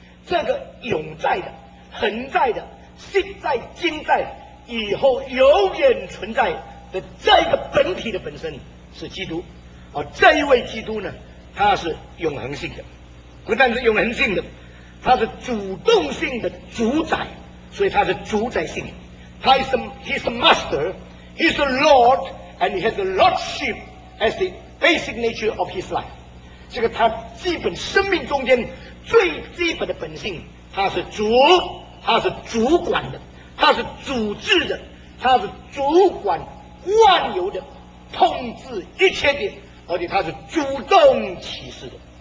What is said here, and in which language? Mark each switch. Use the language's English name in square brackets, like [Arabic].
[Chinese] 这个永在的、恒在的、现在、今在、以后永远存在的这个本体的本身是基督。而这一位基督呢，他是永恒性的，不但是永恒性的，他是主动性的主宰，所以他是主宰性的。 [English] He's a master, he's a lord, and he has a lordship as the basic nature of his life. [Chinese] 这个他基本生命中间最基本的本性，他是主，他是主管的，他是主治的，他是主管万有的，控制一切的，而且他是主动启示的。